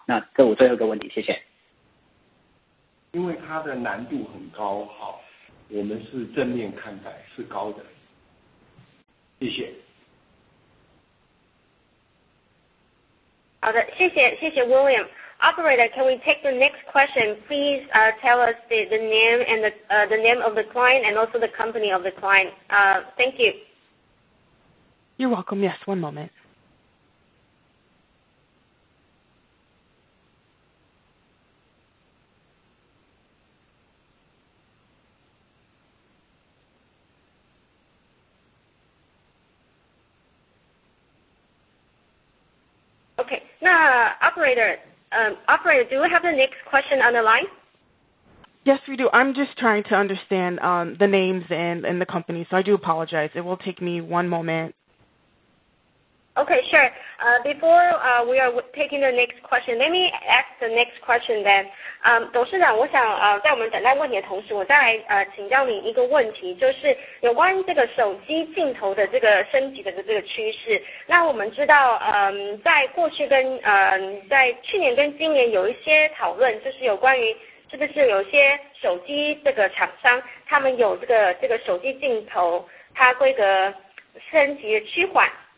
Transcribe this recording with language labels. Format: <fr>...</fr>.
<zh>那这我最后一个问题，谢谢。因为它的难度很高，好，我们是正面看待，是高的。谢谢。好的，谢谢，谢谢 William。</zh> <en>Operator, can we take the next question? Please tell us the name and the name of the client and also the company of the client. Thank you. You're welcome. Yes, one moment. Okay.</en> <zh>那</zh> <en>operator. Operator, do we have the next question on the line? Yes, we do. I'm just trying to understand the names and the company, so I do apologize. It will take me one moment. Okay, sure. Before we are taking the next question, let me ask the next question then.</en> <zh>董事长，我想在我们等待问题的同时，我再请教你一个问题，就是有关于这个手机镜头的这个升级的这个趋势。那我们知道，在过去跟在去年跟今年有一些讨论，就是有关于是不是有些手机这个厂商他们有这个手机镜头它规格升级的趋缓。</zh>